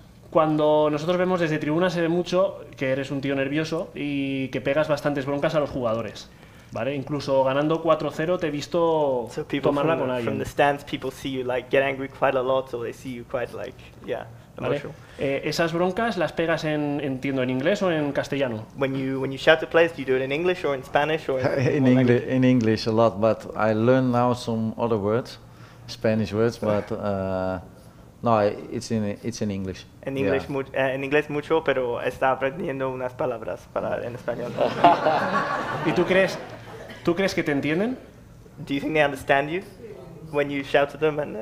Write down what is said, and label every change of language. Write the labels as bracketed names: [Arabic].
[Spanish] Cuando nosotros vemos desde tribuna se ve mucho que eres un tío nervioso y que pegas bastantes broncas a los jugadores, ¿vale? Incluso ganando 4-0 te he visto tomarla con alguien. [English] From the stands, people see you like get angry quite a lot, so they see you quite like, yeah. [Spanish] ¿Vale? ¿Esas broncas las pegas en, entiendo, en inglés o en castellano? [English] When you shout to players, do you do it in English or in Spanish or in English? In English a lot, but I learned now some other words, Spanish words, but. No, it's in English. [Spanish] En inglés, yeah. En inglés mucho, pero está aprendiendo unas palabras para en español. ¿Y tú crees que te entienden? [English] Do you think they understand you when you shout to them?